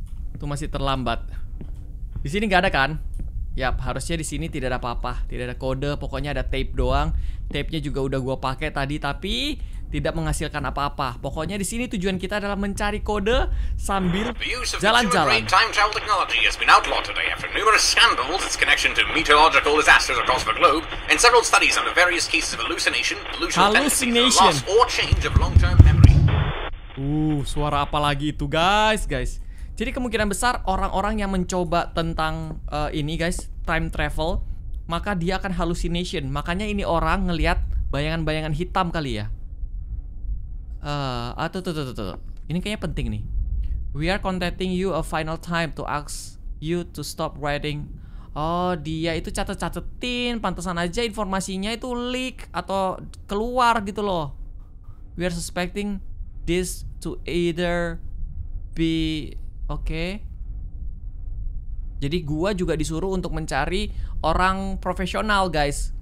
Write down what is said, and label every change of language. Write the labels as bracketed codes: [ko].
[id] Itu masih terlambat. Di sini nggak ada kan? Yap, harusnya di sini tidak ada apa-apa, tidak ada kode, pokoknya ada tape doang. Tape-nya juga udah gue pakai tadi, tapi tidak menghasilkan apa-apa. Pokoknya di sini tujuan kita adalah mencari kode sambil jalan-jalan. [en] Time travel technology has been outlawed today after numerous scandals its connection to meteorological disasters across the globe and several studies on the various cases of hallucination, delusional tendencies, loss or change of long-term memory. [id] Suara apa lagi itu, guys? Guys, jadi kemungkinan besar orang-orang yang mencoba tentang ini, guys, time travel, maka dia akan hallucination. Makanya ini orang ngelihat bayangan-bayangan hitam kali ya. Tuh. Ini kayaknya penting nih. [en] We are contacting you a final time to ask you to stop writing. [id] Oh, dia itu catet-catetin, pantesan aja informasinya itu leak atau keluar gitu loh. [en] We are suspecting this to either be okay. [id] Jadi gua juga disuruh untuk mencari orang profesional, guys.